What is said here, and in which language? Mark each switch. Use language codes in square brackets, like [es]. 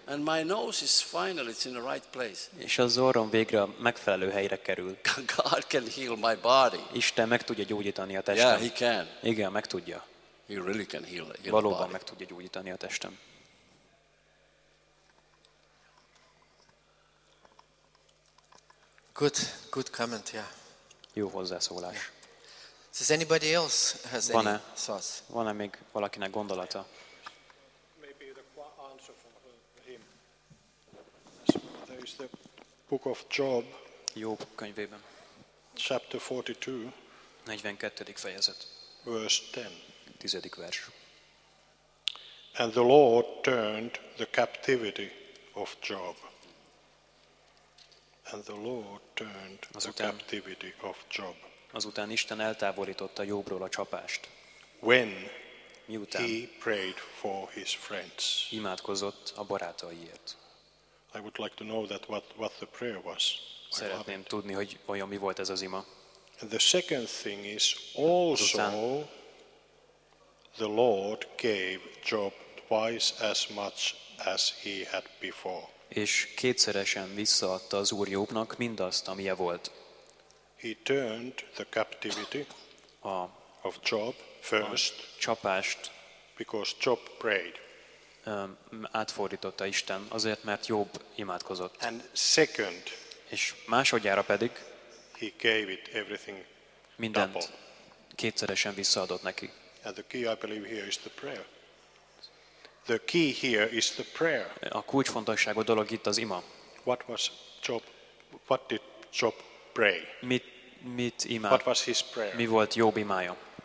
[en] And my nose is finally it's in the right place. [hu] És az orrom végre megfelelő helyre kerül. [en] God can heal my body. [hu] Isten meg tudja gyógyítani a testem. [en] Yeah, he can. [hu] Igen, meg tudja. [en] He really can heal the body. [hu] Valóban meg tudja gyógyítani a testem. [en] Good comment, yeah. [hu] Jó hozzászólás. [en] Does anybody else has [hu] van-e, [en] any thoughts? [hu] Van-e még valakinek gondolata? [en] Maybe the answer from him. There is the book of Job. [hu] Job könyvében. [en] Chapter 42. [hu] 42. fejezet. [en] Verse 10. [hu] 10. vers. [en] And the Lord turned the captivity of Job. And the Lord turned the captivity of Job. [hu] Azután Isten eltávolította Jobról a csapást. [en] When? [hu] Miután? [en] He prayed for his friends. [hu] Imádkozott a barátaiért. [en] I would like to know that what the prayer was. [hu] Szeretném tudni, hogy olyan mi volt ez az ima. [en] And the second thing is also the Lord gave Job twice as much as he had before. [hu] És kétszeresen visszaadta az Úr Jobnak mindazt, amije volt. [en] He turned the captivity of Job first, [hu] a csapást, [en] because Job prayed. [hu] Átfordította Isten azért, mert Job imádkozott. [en] And second, [hu] és másodjára pedig [en] he gave it everything [hu] mindent [en] double. [hu] Kétszeresen visszaadott neki. [en] And the key I believe here is the prayer. The key here is the prayer. [hu] A kulcsfontosságú dolog itt az ima. [en] What did Job pray? [hu] Mit ima? [en] What was his prayer? [hu] Mi volt Job imája?